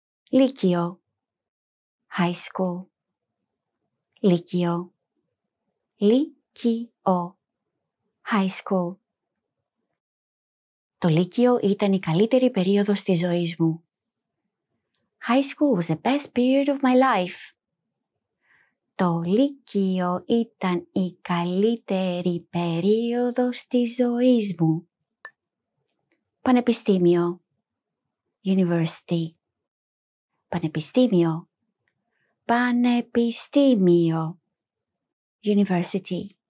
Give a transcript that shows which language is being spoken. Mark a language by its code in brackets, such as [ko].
[el] Λύκειο. [en] High school. [el] Λύκειο. Λύκειο. [en] High school. [el] Το λύκειο ήταν η καλύτερη περίοδος της ζωής μου. [en] High school was the best period of my life. [el] Το λύκειο ήταν η καλύτερη περίοδος της ζωής μου. Πανεπιστήμιο. [en] University. [el] Πανεπιστήμιο. Πανεπιστήμιο. [en] University.